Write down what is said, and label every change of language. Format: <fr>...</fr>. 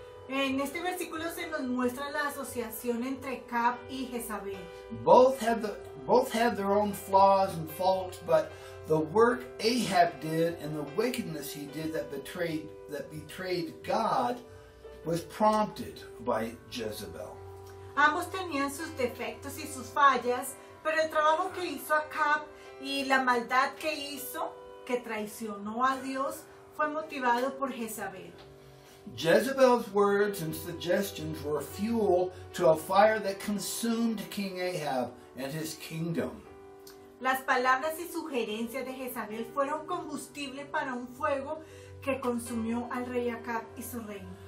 <es>En este versículo se nos muestra la asociación entre Acab y Jezabel.</es> <en>Both have their own flaws and faults, but the work Ahab did and the wickedness he did that betrayed God was prompted by Jezebel.</en> <es>Ambos tenían sus defectos y sus fallas, pero el trabajo que hizo Acab y la maldad que hizo, que traicionó a Dios, fue motivado por Jezabel.</es> <en>Jezebel's words and suggestions were fuel to a fire that consumed King Ahab and his kingdom.</en> <es>Las palabras y sugerencias de Jezabel fueron combustible para un fuego que consumió al rey Acab y su reino.</es>